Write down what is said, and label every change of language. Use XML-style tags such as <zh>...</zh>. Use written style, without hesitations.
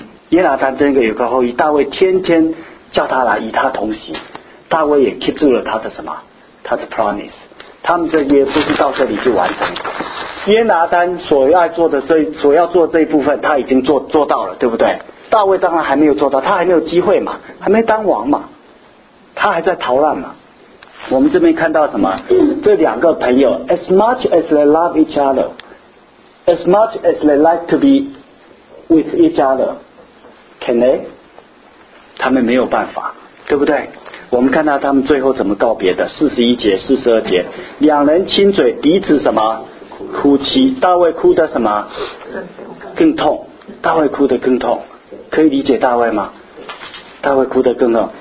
<zh>约拿丹真的有个后裔，大卫天天叫他来与他同行，大卫也 keep 住了他的什么，他的 promise。他们这约不是到这里就完成，约拿丹所要做这一部分他已经做到了，对不对？大卫当然还没有做到，他还没有机会嘛，还没当王嘛，他还在逃难嘛。我们这边看到什么，这两个朋友</zh> <en>as much as they love each other,As much as they like to be with each other, can they?</en> <zh>他们没有办法，对不对？我们看到他们最后怎么告别的，41节、42节，两人亲嘴，彼此什么哭泣，大卫哭得什么更痛，大卫哭得更痛，可以理解大卫吗？大卫哭得更痛。</zh>